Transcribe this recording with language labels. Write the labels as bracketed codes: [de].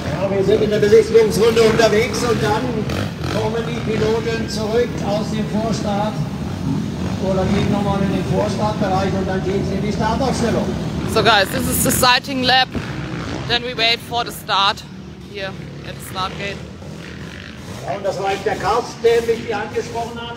[de] Wir sind in der Besichtigungsrunde unterwegs und dann kommen die Piloten zurück aus dem Vorstart oder gehen nochmal in den Vorstartbereich und dann gehen sie in die Startaufstellung. [en] So guys, this is the sighting lab. Then we wait for the start here at the start gate. [de] Ja, und das war jetzt der Carsten, der mich hier angesprochen hat.